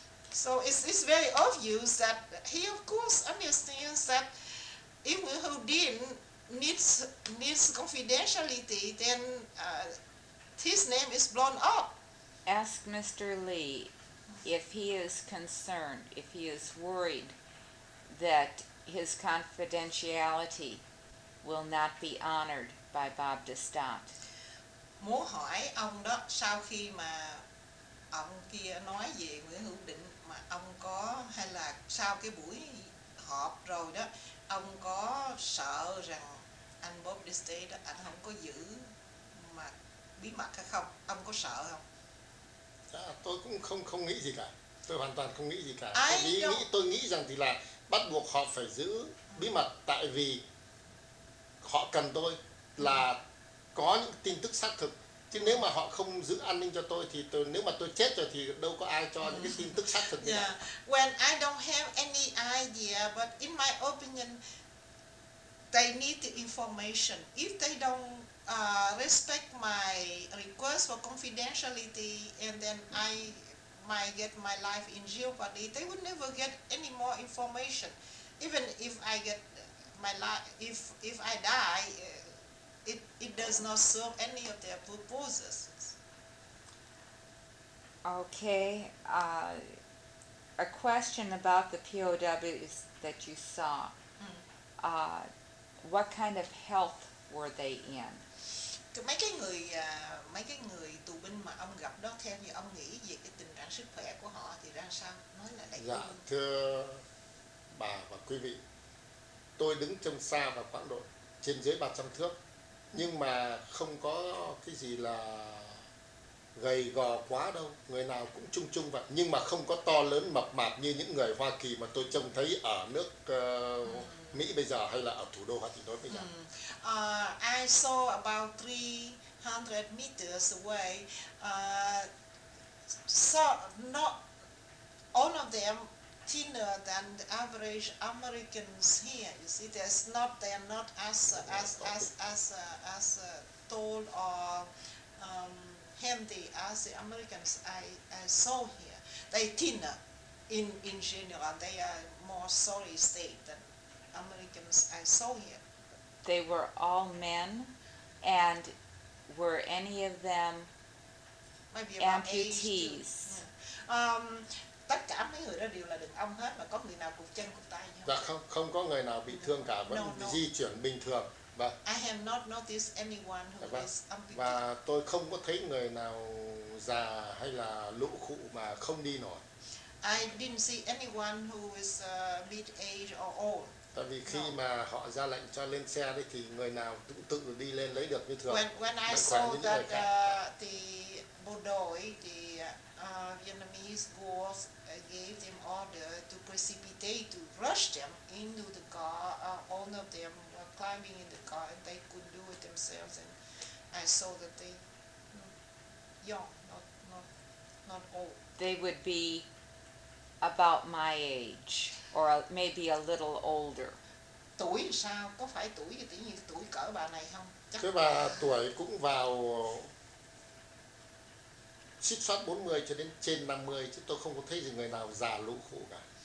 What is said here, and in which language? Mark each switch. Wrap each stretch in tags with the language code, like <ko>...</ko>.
<en>So it's very obvious that he of course understands that if Wahuddin needs confidentiality, then his name is blown up. Ask Mr. Lee if he is concerned, if he is worried that his confidentiality will not be honored by Bob Destat.</en> <vi>muốn hỏi ông đó, sau khi mà ông kia nói về Nguyễn Hữu Định mà ông có, hay là sau cái buổi họp rồi đó, ông có sợ rằng anh Bob Distay đó anh không có giữ mà bí mật hay không, ông có sợ không? Tôi cũng không nghĩ gì cả, tôi hoàn toàn không nghĩ gì cả. Tôi nghĩ rằng thì là bắt buộc họ phải giữ bí mật, tại vì họ cần tôi là có những tin tức xác thực. Chứ nếu mà họ không giữ an ninh cho tôi thì tôi, nếu mà tôi chết rồi thì đâu có ai cho những cái tin tức xác thực.</vi> <en>Yeah. When I don't have any idea, but in my opinion, they need the information. If they don't respect my request for confidentiality, and then I might get my life in jeopardy, they would never get any more information. Even if I get my life, if I die, it does not serve any of their purposes. Okay, a question about the POWs that you saw. What kind of health were they in?</en> <vi>Thì mấy cái người tù binh mà ông gặp đó, theo như ông nghĩ về cái tình trạng sức khỏe của họ thì ra sao? Nói là đại. Dạ, thưa bà và quý vị, tôi đứng trông xa và khoảng độ trên dưới 300 thước, nhưng mà không có cái gì là gầy gò quá đâu, người nào cũng chung chung vậy, nhưng mà không có to lớn mập mạp như những người Hoa Kỳ mà tôi trông thấy ở nước Mỹ bây giờ, hay là ở thủ đô Hà Nội bây giờ.</vi> <en>I saw about 300 meters away, so not all of them thinner than the average Americans here. You see, they're not as tall or handy as the Americans I saw here. They thinner in general. They are more solid state than Americans I saw here. They were all men, and were any of them amputees?</en> <vi>Tất cả mấy người đó đều là đàn ông hết, mà có người nào cụt chân cụt tay không? Dạ không, không có người nào bị thương cả, vẫn di chuyển bình thường.</vi> <en>I have not noticed anyone who is amputee.</en> <vi>Và tôi không có thấy người nào già hay là lũ khụ mà không đi nổi.</vi> <en>I didn't see anyone who is mid-age or old.</en> <vi>Tại vì khi mà họ ra lệnh cho lên xe đấy thì người nào cũng tự đi lên lấy được như thường.</vi> <en>When I saw that the bộ đội, the Vietnamese force gave them order to precipitate, to rush them into the car, all of them were climbing in the car and they could do it themselves, and I saw that they young, not old. They would be about my age, or maybe a little older.</en> <vi>Tuổi sao? Có phải tuổi thì tính như tuổi cỡ bà này không? Chắc. Thế bà tuổi cũng vào xích xoát 40 cho đến trên 50, chứ tôi không có thấy gì người nào già lũ khổ cả.</vi>